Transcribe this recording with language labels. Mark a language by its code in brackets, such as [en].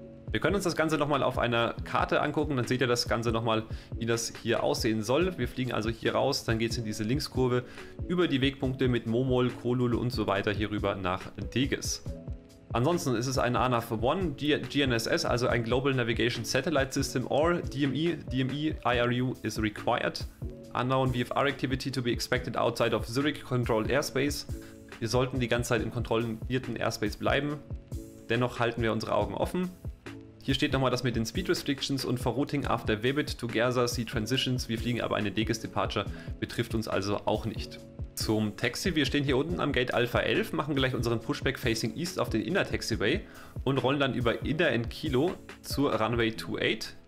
[de] Wir können uns das Ganze nochmal auf einer Karte angucken, dann seht ihr das Ganze nochmal, wie das hier aussehen soll. Wir fliegen also hier raus, dann geht es in diese Linkskurve über die Wegpunkte mit Momol, Kolul und so weiter hier rüber nach Degis. Ansonsten ist es ein ANAV 1 GNSS, also ein Global Navigation Satellite System [en] or DME. DME IRU is required. Unknown VFR activity to be expected outside of Zurich controlled airspace. [de] Wir sollten die ganze Zeit im kontrollierten Airspace bleiben. Dennoch halten wir unsere Augen offen. Hier steht nochmal das mit den Speed Restrictions und [en] for routing after Vibit to Gerza Sea Transitions. [de] Wir fliegen aber eine Degis Departure, betrifft uns also auch nicht. Zum Taxi, wir stehen hier unten am Gate Alpha 11, machen gleich unseren Pushback Facing East auf den Inner Taxiway und rollen dann über Inner and Kilo zur Runway 28.